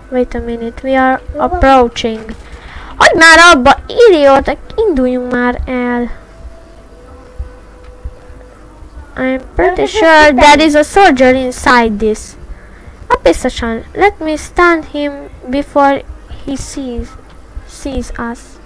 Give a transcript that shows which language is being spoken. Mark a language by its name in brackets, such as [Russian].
[English] Wait a minute, we are approaching. [Hungarian] Hagyd már abba, idiót, induljunk már el. [English] I'm pretty sure there is a soldier inside this. [Hungarian] A biztosan. [English] Let me stun him before he sees us.